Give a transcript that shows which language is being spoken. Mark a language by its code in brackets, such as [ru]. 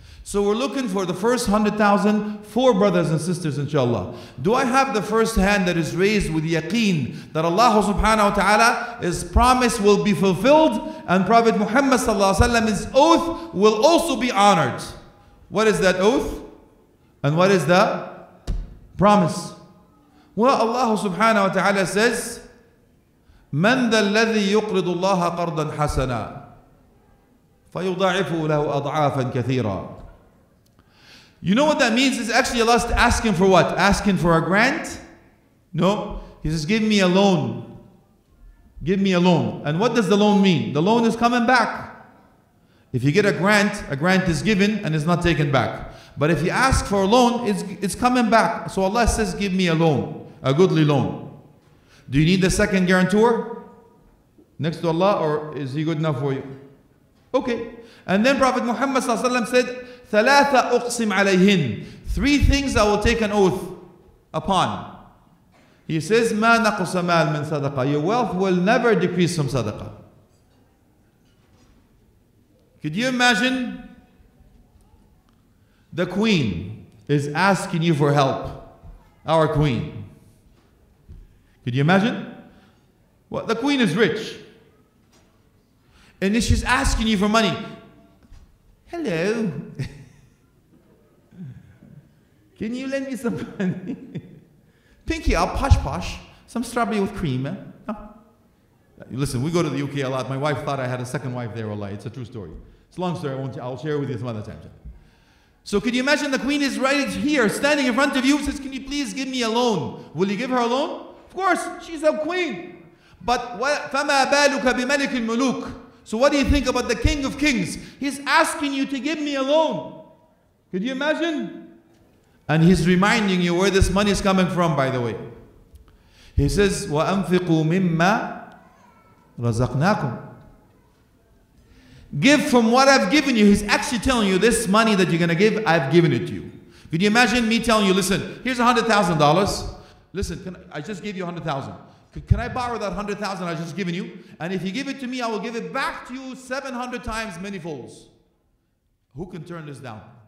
[en] So we're looking for the first 100,000, four brothers and sisters, inshallah. Do I have the first hand that is raised with yaqeen that Allah subhanahu wa ta'ala, his promise will be fulfilled and Prophet Muhammad sallallahu alayhi wa sallam, his oath will also be honored? What is that oath? And what is the promise? [ar] Well, Allah subhanahu wa ta'ala says, مَنْ ذَا الَّذِي يُقْرِضُ اللَّهَ قَرْضًا حَسَنًا فَيُضَعِفُهُ لَهُ أَضْعَافًا كَثِيرًا. [en] You know what that means? It's actually Allah asking for what? Asking for a grant? No. He says, give me a loan. Give me a loan. And what does the loan mean? The loan is coming back. If you get a grant is given and is not taken back. But if you ask for a loan, it's coming back. So Allah says, give me a loan, a goodly loan. Do you need the second guarantor next to Allah, or is he good enough for you? Okay. And then Prophet Muhammad sallallahu alaihi wasallam said, [ar] ثَلَاثَ أُقْسِمْ عَلَيْهِنْ. [en] Three things I will take an oath upon. He says, [ar] مَا نَقُسَ مَالْ مِنْ صَدَقَةً. [en] Your wealth will never decrease from sadaqah. Could you imagine? The queen is asking you for help. Our queen. Could you imagine? Well, the queen is rich. And she's asking you for money. Hello. Can you lend me some money? Pinky up, posh posh. Some strawberry with cream, man. Huh? Listen, we go to the UK a lot. My wife thought I had a second wife there, Wallahi. It's a true story. It's a long story. I'll share it with you some other time. So can you imagine the queen is right here, standing in front of you, says, can you please give me a loan? Will you give her a loan? Of course, she's a queen. [ar] But فَمَا بَالُكَ بِمَلِكِ الْمُلُوكِ. [en] So what do you think about the King of Kings? He's asking you to give me a loan. Could you imagine? And he's reminding you where this money is coming from, by the way. He says, [ar] وَأَنْفِقُوا مِمَّا رَزَقْنَاكُمْ. [en] Give from what I've given you. He's actually telling you, this money that you're going to give, I've given it to you. Could you imagine me telling you, listen, here's $100,000. Listen, I just gave you $100,000. Can I borrow that $100,000 I just given you? And if you give it to me, I will give it back to you 700 times many folds. Who can turn this down?